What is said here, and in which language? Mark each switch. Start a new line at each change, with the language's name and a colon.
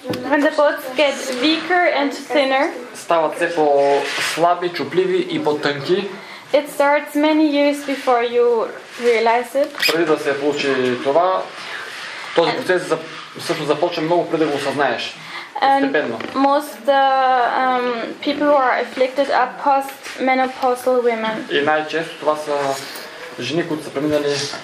English: When the bones get weaker and thinner.
Bulgarian: Стават все по-слаби, чупливи и по-тънки.
English: It starts many years before you realize it.
Bulgarian: Преди да се получи това. Този процес също започва много преди да го осъзнаеш. Постепенно.
English: Most people who are afflicted are post-menopausal women.
Bulgarian: И най-често това са жени, които са преминали